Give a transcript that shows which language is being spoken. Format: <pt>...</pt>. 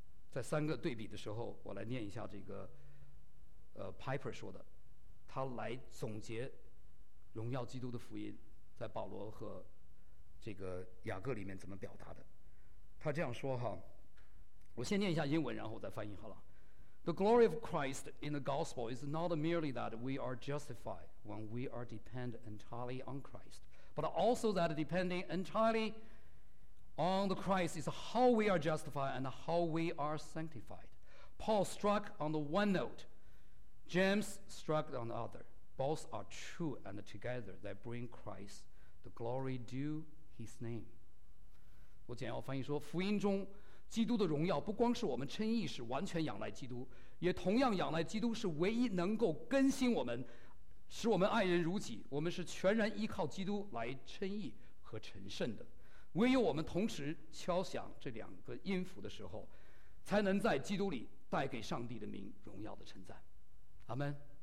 <zh>在三个对比的时候，我来念一下这个Piper 说的，他来总结荣耀基督的福音在保罗和这个雅各里面怎么表达的。他这样说哈，我先念一下英文然后再翻译好了。</zh> <en>The glory of Christ in the gospel is not merely that we are justified when we are dependent entirely on Christ, but also that depending entirely on the Christ is how we are justified and how we are sanctified. Paul struck on the one note, James struck on the other. both are true and together that bring Christ the glory due his name.</en> <zh>我简要翻译说，福音中基督的荣耀不光是我们称义是完全仰赖基督，也同样仰赖基督是唯一能够更新我们，使我们爱人如己，我们是全然依靠基督来称义和成圣的。唯有我们同时敲响这两个音符的时候，才能在基督里带给上帝的名荣耀的称赞。阿们。</zh>